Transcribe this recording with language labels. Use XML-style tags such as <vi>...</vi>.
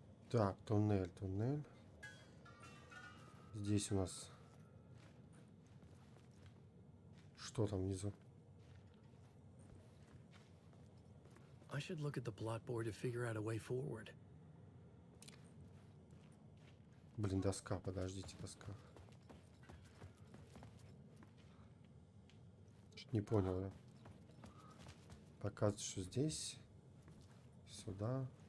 <ru>Так, туннель. Здесь у нас что там внизу?</ru> <en>I should look at the plot board to figure out a way forward.</en> <ru>Блин, доска, подождите, доска. Не понял я. Показывает, что здесь, сюда.</ru>